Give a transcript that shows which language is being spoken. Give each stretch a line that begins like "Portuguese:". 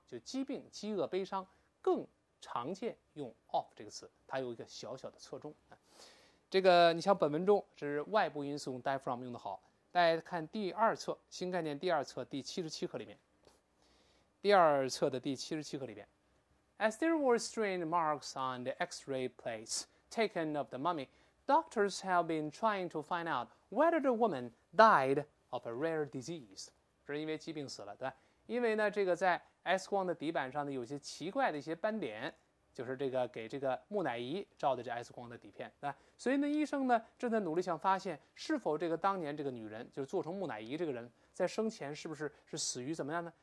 Chinese: 就疾病、饥饿、悲伤更常见用 of 这个词，它有一个小小的侧重。这个你像本文中是外部因素用 die from 用的好，大家看第二册新概念第二册第七十七课里面，第二册的第七十七课里面。
English: As there were strange marks on the X-ray plates taken of the mummy, doctors have been trying to find out whether the woman died of a rare disease.
Chinese: 这是因为疾病死了，对吧？因为呢，这个在 X 光的底板上呢，有些奇怪的一些斑点，就是这个给这个木乃伊照的这 X 光的底片，对吧？所以呢，医生呢正在努力想发现是否这个当年这个女人，就是做成木乃伊这个人，在生前是不是死于怎么样呢？